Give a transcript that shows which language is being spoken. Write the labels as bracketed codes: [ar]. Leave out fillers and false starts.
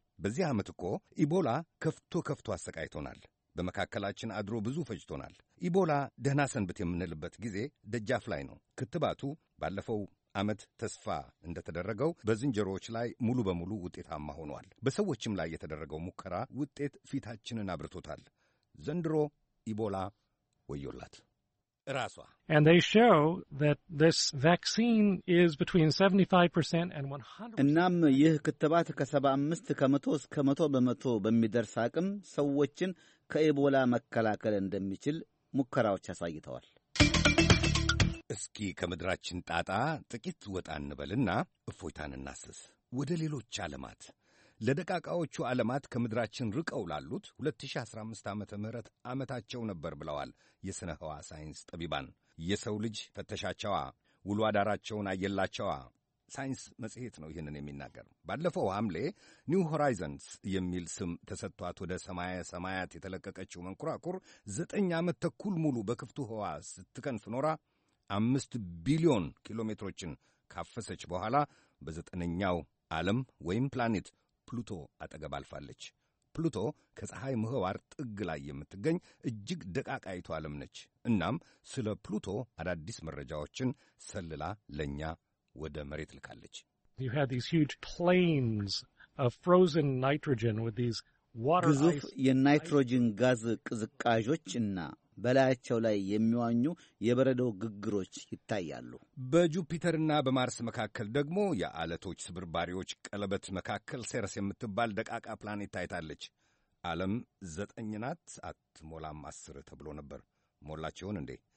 [am] በዚህ ዓመት እኮ ኢቦላ ከፍቶ ከፍቶ አሰቃይቶናል። በመካከላችን አድሮ ብዙ ፈጅቶናል። ኢቦላ ደህና ሰንብት የምንልበት ጊዜ ደጃፍ ላይ ነው። ክትባቱ ባለፈው ዓመት ተስፋ እንደተደረገው በዝንጀሮዎች ላይ ሙሉ በሙሉ ውጤታማ ሆኗል። በሰዎችም ላይ የተደረገው ሙከራ ውጤት ፊታችንን አብርቶታል። ዘንድሮ ኢቦላ ወዮላት ራሷ። [en] And they show that this vaccine is between 75% and 100%. [am] እናም ይህ ክትባት ከ75% እስከ 100% በሚደርስ አቅም ሰዎችን ከኢቦላ መከላከል እንደሚችል ሙከራዎች ያሳይተዋል። እስኪ ከመድራችን ጣጣ ጥቂት ወጣ እንበልና እፎይታን እናስስ። ወደ ሌሎች ዓለማት ለደቃቃዎቹ ዓለማት ከምድራችን ርቀው ላሉት 2015 ዓመተ ምህረት ዓመታቸው ነበር ብለዋል የሥነ ሕዋ ሳይንስ ጠቢባን። የሰው ልጅ ፈተሻቸዋ፣ ውሎ አዳራቸውን አየላቸዋ። ሳይንስ መጽሔት ነው ይህንን የሚናገር። ባለፈው ሐምሌ ኒው ሆራይዘንስ የሚል ስም ተሰጥቷት ወደ ሰማየ ሰማያት የተለቀቀችው መንኮራኩር 9 ዓመት ተኩል ሙሉ በክፍቱ ሕዋ ስትከንፍ ኖራ 5 ቢሊዮን ኪሎ ሜትሮችን ካፈሰች በኋላ በ9ኛው ዓለም ወይም ፕላኔት ፕሉቶ አጠገብ አልፋለች። ፕሉቶ ከፀሐይ ምህዋር ጥግ ላይ የምትገኝ እጅግ ደቃቃይቱ ዓለም ነች። እናም ስለ ፕሉቶ አዳዲስ መረጃዎችን ሰልላ ለእኛ ወደ መሬት ልካለች። [en] You have these huge plains of frozen nitrogen with these water ice. [am] ግዙፍ የናይትሮጅን ጋዝ ቅዝቃዦች እና በላያቸው ላይ የሚዋኙ የበረዶ ግግሮች ይታያሉ። በጁፒተርና በማርስ መካከል ደግሞ የዓለቶች ስብርባሪዎች ቀለበት መካከል ሴረስ የምትባል ደቃቃ ፕላኔት ታይታለች። ዓለም 9 ናት አትሞላም 10 ተብሎ ነበር። ሞላችሁን እንዴ?